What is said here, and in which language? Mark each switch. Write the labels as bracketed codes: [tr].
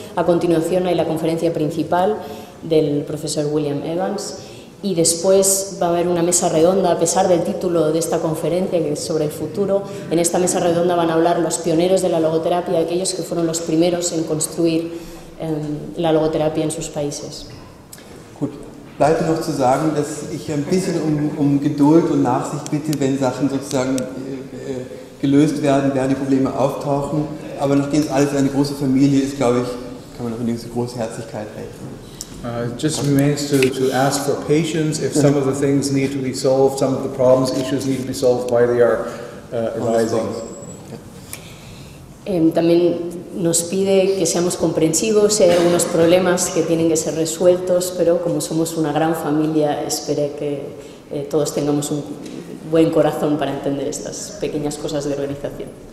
[es] A continuación hay la conferencia principal del profesor William Evans. Y después va a haber una mesa redonda, a pesar del título de esta conferencia, que es sobre el futuro. En esta mesa redonda van a hablar los pioneros de la logoterapia, aquellos que fueron los primeros en construir la logoterapia en sus países. [de] Bleibt noch zu sagen, dass ich ein bisschen um Geduld und Nachsicht bitte, wenn Sachen sozusagen gelöst werden, werden die Probleme auftauchen. Aber nachdem es alles eine große Familie ist, glaube ich, kann man auch eine große Herzlichkeit rechnen. [en] Just remains to ask for patience if some of the things need to be solved, some of the problems, issues need to be solved while they are arising. [es] También nos pide que seamos comprensivos, si hay algunos problemas que tienen que ser resueltos, pero como somos una gran familia, espere que todos tengamos un buen corazón para entender estas pequeñas cosas de organización.